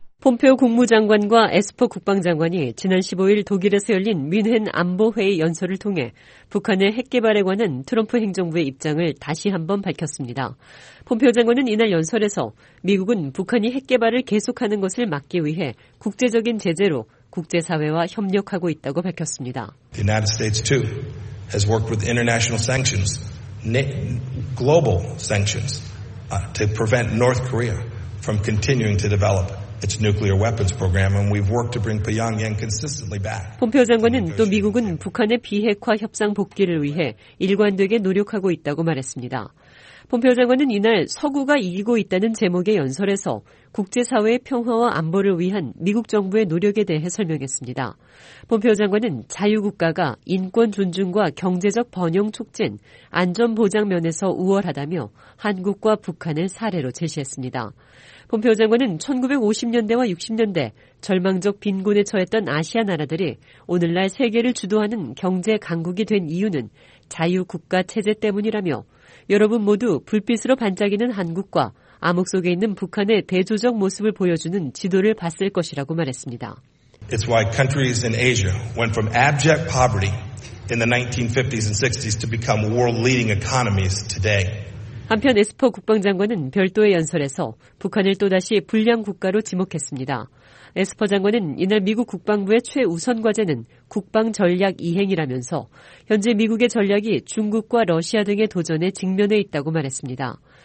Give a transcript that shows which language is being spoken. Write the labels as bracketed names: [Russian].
[Korean] 폼페오 국무장관과 에스퍼 국방장관이 지난 15일 독일에서 열린 뮌헨 안보회의 연설을 통해 북한의 핵 개발에 관한 트럼프 행정부의 입장을 다시 한번 밝혔습니다. 폼페오 장관은 이날 연설에서 미국은 북한이 핵 개발을 계속하는 것을 막기 위해 국제적인 제재로 국제사회와 협력하고 있다고 밝혔습니다. [English] The United States too has worked with international sanctions, global sanctions, to prevent North Korea from continuing to develop. Its nuclear weapons program, and we've worked to bring Pyongyang consistently back. [Korean] 폼페오 장관은 또 미국은 북한의 비핵화 협상 복귀를 위해 일관되게 노력하고 있다고 말했습니다. 폼페오 장관은 이날 서구가 이기고 있다는 제목의 연설에서 국제사회의 평화와 안보를 위한 미국 정부의 노력에 대해 설명했습니다. 폼페오 장관은 자유국가가 인권 존중과 경제적 번영 촉진, 안전 보장 면에서 우월하다며 한국과 북한을 사례로 제시했습니다. 폼페오 장관은 1950년대와 60년대 절망적 빈곤에 처했던 아시아 나라들이 오늘날 세계를 주도하는 경제 강국이 된 이유는 자유국가 체제 때문이라며 여러분 모두 불빛으로 반짝이는 한국과 암흑 속에 있는 북한의 대조적 모습을 보여주는 지도를 봤을 것이라고 말했습니다. [English] It's why countries in Asia went from abject poverty in the 1950s and 60s to become world-leading economies today. [Korean] 한편 에스퍼 국방장관은 별도의 연설에서 북한을 또다시 불량 국가로 지목했습니다. 에스퍼 장관은 이날 미국 국방부의 최우선 과제는 국방 전략 이행이라면서 현재 미국의 전략이 중국과 러시아 등의 도전에 직면해 있다고 말했습니다.